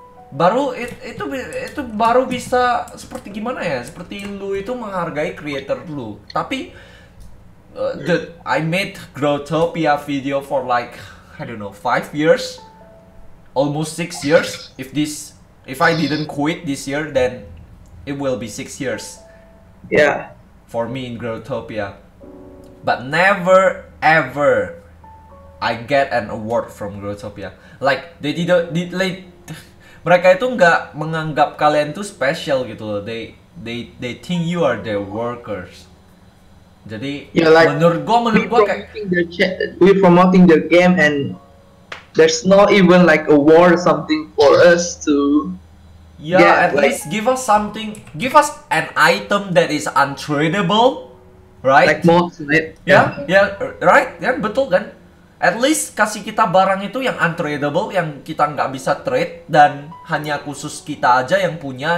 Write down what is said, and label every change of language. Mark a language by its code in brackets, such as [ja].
[id] Baru itu baru bisa seperti gimana ya? Seperti lu itu menghargai creator lu. [en] Tapi I made Growtopia video for like I don't know 5 years, almost 6 years. If I didn't quit this year then it will be 6 years. Yeah, for me in Growtopia, but never ever I get an award from Growtopia. [id] Like mereka itu nggak menganggap kalian tuh special gitu loh. [en] They think you are their workers. [id] Jadi [en] yeah, like, [id] menurut gua kayak [en] we promoting their game and there's not even like award something for us to. Yeah, yeah, at least give us something. Give us an item that is untradeable, right? Like mods, right? Yeah, right? Yeah, [id] betul kan? [en] At least [id] kasih kita barang itu yang untradeable, yang kita nggak bisa trade dan hanya khusus kita aja yang punya.